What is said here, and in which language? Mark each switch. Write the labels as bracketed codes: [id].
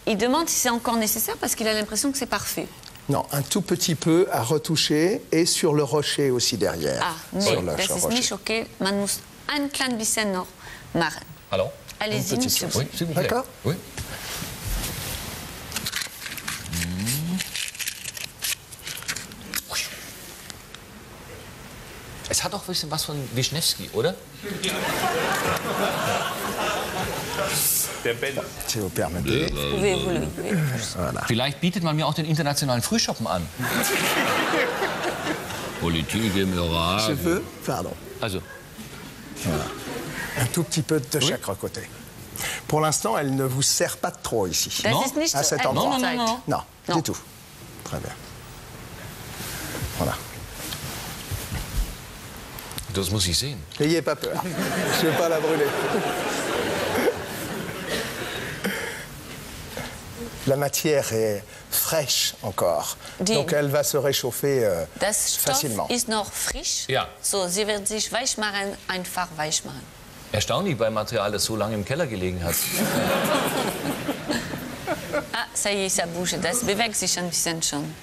[fr] Il demande si c'est encore nécessaire parce qu'il a l'impression que c'est parfait. Non, un tout petit peu à retoucher et sur le rocher aussi derrière. [de] Ah, mais das ist nicht okay. Man muss ein klein bisschen noch machen. Hallo? [fr] Allez-y, monsieur. Oui, s'il vous plaît. D'accord? Oui. [de] Es hat auch ein bisschen was von Wischnewski, oder? Der Ben. [fr] Si vous permettez. Pouvez-vous le lever? [de] Vielleicht bietet man mir auch den internationalen Frühschoppen an. Politik im Iran. [fr] Je veux? Pardon. [de] Also. [fr] Voilà. Un tout petit peu de chaque oui. côté. Pour l'instant, elle ne vous sert pas trop ici. Non. À cet endroit. Non. Du tout. Très bien. Voilà. [de] Das muss ich sehen. [fr] N'ayez pas peur. Je ne vais pas la brûler. La matière est fraîche encore. [de] Die, [fr] donc elle va se réchauffer [de] das [fr] facilement. [de] Das Stoff ist noch frisch. Ja. So, sie wird sich weich machen, einfach weich machen. Erstaunlich bei Material, das so lange im Keller gelegen hat. [fr] Ah, ça y est, ça bouge. [de] Das bewegt sich ein bisschen schon.